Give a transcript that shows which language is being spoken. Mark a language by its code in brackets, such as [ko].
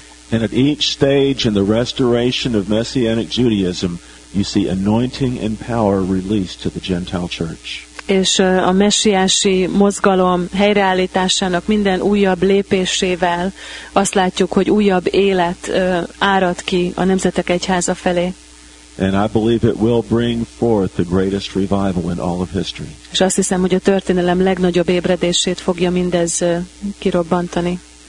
[en] And at each stage in the restoration of messianic Judaism, you see anointing and power released to the Gentile church. [hu] És a messiási mozgalom helyreállításának minden újabb lépésével azt látjuk, hogy újabb élet árad ki a nemzetek egyháza felé. [en] And I believe it will bring forth the greatest revival in all of history. [hu] És azt hiszem, hogy a történelem legnagyobb ébredését fogja mindez kirobbantani.